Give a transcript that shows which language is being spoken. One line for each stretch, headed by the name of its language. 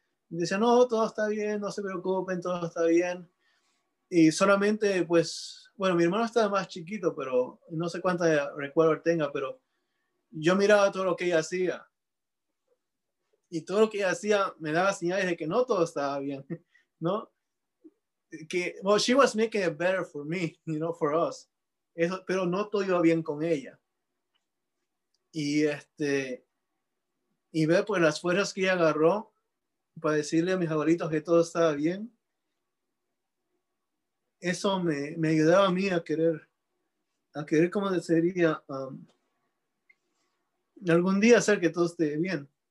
Spanish: Me decían, no, todo está bien, no se preocupen, todo está bien. Y solamente, pues, bueno, mi hermano estaba más chiquito, pero no sé cuánta recuerdo tenga, pero yo miraba todo lo que ella hacía. Y todo lo que ella hacía me daba señales de que no todo estaba bien, ¿no?
English: Que, well, she was making it better for me, you know, for us.
Spanish: Eso, pero no todo iba bien con ella. Y ver pues las fuerzas que ella agarró para decirle a mis abuelitos que todo estaba bien, eso me ayudaba a mí a querer como sería algún día hacer que todo esté bien.